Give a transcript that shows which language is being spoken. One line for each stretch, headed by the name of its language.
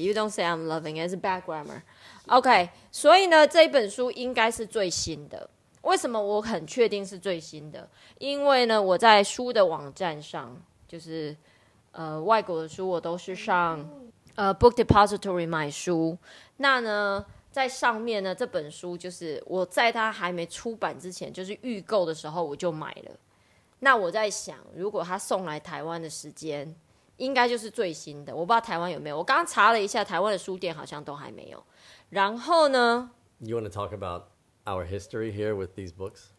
English: You don't say I'm loving it. It's bad grammar.
Chinese: Okay, 所以呢,这本书应该是最新的。为什么我很确定是最新的?因为呢,我在书的网站上, 就是外国的书我都是上... Book Depository 买书，那呢，在上面呢，这本书就是我在它还没出版之前，就是预购的时候我就买了。那我在想，如果它送来台湾的时间，应该就是最新的。我不知道台湾有没有，我刚查了一下，台湾的书店好像都还没有。然后呢
English: ，You want to talk about our history here with these books?